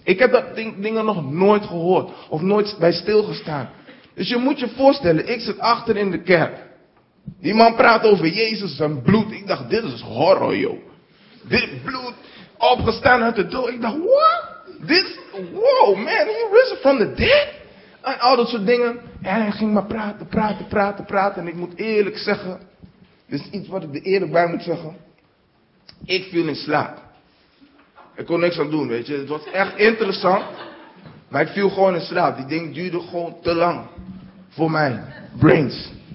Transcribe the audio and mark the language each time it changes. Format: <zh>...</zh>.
<nl>Ik heb dat dingen nog nooit gehoord. Of nooit bij stilgestaan. Dus je moet je voorstellen. Ik zit achter in de kerk. Die man praat over Jezus en bloed. Ik dacht, dit is horror, joh. Dit bloed opgestaan uit de dood. Ik dacht, what?</nl> <en>Wow, man, he risen from the dead?</en> <nl>En al dat soort dingen. En hij ging maar praten. En ik moet eerlijk zeggen. Dit is iets wat ik er eerlijk bij moet zeggen. Ik viel in slaap. Ik kon niks aan doen, weet je. Het was echt interessant. Maar ik viel gewoon in slaap. Die ding duurde gewoon te lang. Voor mijn brains.</nl>